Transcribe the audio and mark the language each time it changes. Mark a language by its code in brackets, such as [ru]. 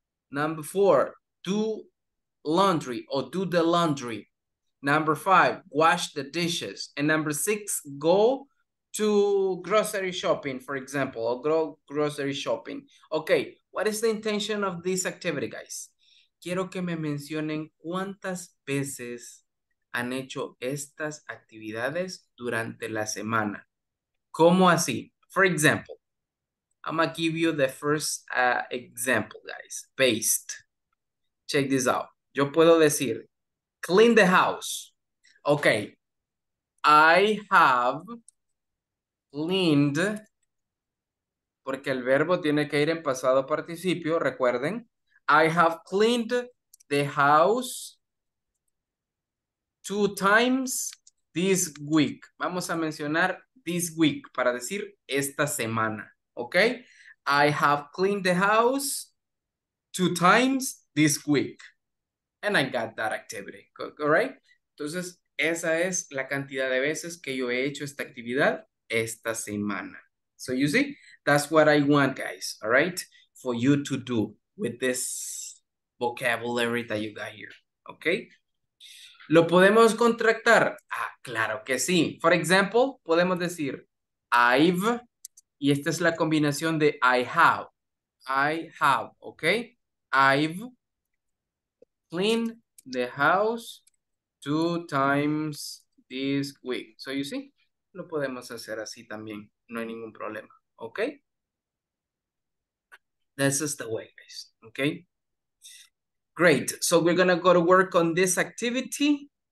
[en] Number 4, do laundry or do the laundry. Number 5, wash the dishes. And number 6, go to grocery shopping, for example, or go grocery shopping. Okay, what is the intention of this activity, guys? [es] Quiero que me mencionen cuántas veces han hecho estas actividades durante la semana. ¿Cómo así? [en] For example, I'm gonna give you the first example, guys. Paste. Check this out. [es] Yo puedo decir, [en] clean the house. Okay, I have cleaned, [es] porque el verbo tiene que ir en pasado participio, recuerden. [en] I have cleaned the house two times this week. [es] Vamos a mencionar [en] this week [es] para decir esta semana, ¿ok? [en] I have cleaned the house two times this week. And I got that activity, all right? [es] Entonces, esa es la cantidad de veces que yo he hecho esta actividad esta semana. [en] So you see, that's what I want, guys, all right? For you to do with this vocabulary that you got here, okay? [es] ¿Lo podemos contractar? Ah, claro que sí. [en] For example, [es] podemos decir, I've, y esta es la combinación de [en] I have, okay? I've cleaned the house two times this week. So you see, [es] lo podemos hacer así también, no hay ningún problema, okay? [en] This is the way, guys, okay? Great, so we're gonna go to work on this activity.